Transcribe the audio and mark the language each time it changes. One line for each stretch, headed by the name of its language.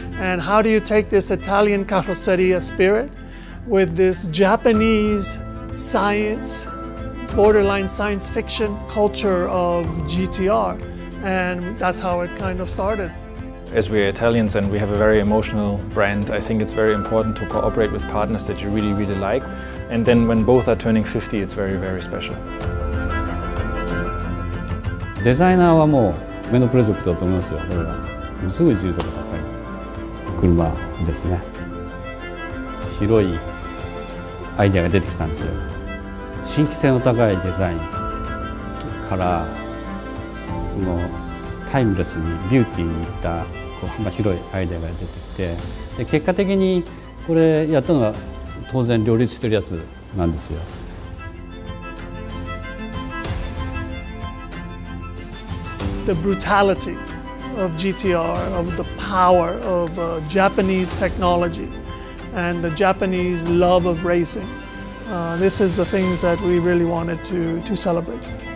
English: And how do you take this Italian carrozzeria spirit with this Japanese science, borderline science fiction culture of GTR? And that's how it kind of started. As we are Italians and we have a very emotional brand, I think it's very important to cooperate with partners that you really, really like. And then when both are turning 50, it's very, very special.
Japanese: デザイナーはもう目のプロジェクトだと思いますよ。これはすごい自由度が高い車ですね。広いアイデアが出てきたんですよ。新規性の高いデザインからそのタイムレスにビューティーにいったこう幅広いアイデアが出てきて、で結果的にこれやったのは当然両立してるやつなんですよ。
English: The brutality of GTR, of the power of Japanese technology and the Japanese love of racing. This is the things that we really wanted to celebrate.